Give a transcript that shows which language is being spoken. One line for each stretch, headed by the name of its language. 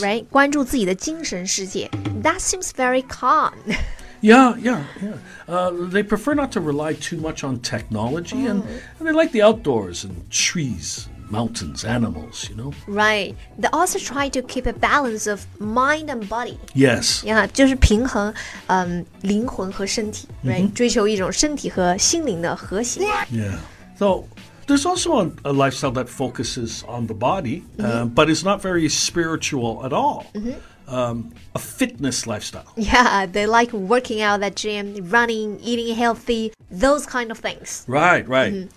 English: Right?
Chinese: 关注自己的精神世界
English: That seems very calm. Yeah. They prefer not to rely too much on technology, and they like the outdoors and trees, mountains, animals, you know? Right. They also try to keep a balance of mind and body. Yes.
Chinese: Yeah, 就是平衡、灵魂和身体、mm-hmm. right? 追求一种身体和心灵的和谐。
English: Yeah. So, there's also a lifestyle that focuses on the body,、mm-hmm. but it's not very spiritual at all.、 Mm-hmm. A fitness lifestyle. Yeah, they like working out at gym, running, eating healthy, those kind of things. Right, right.、Mm-hmm.